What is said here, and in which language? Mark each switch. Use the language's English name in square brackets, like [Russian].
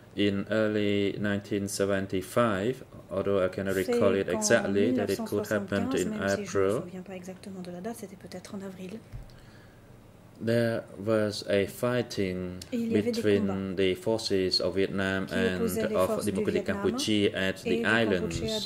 [English] in early 1975, although I cannot recall it exactly, that it could happen in April, [French] si je ne me souviens pas exactement de la date, c'était peut-être en avril. [English] There was a fighting between the forces of Vietnam and of Democratic Cambodia at the islands.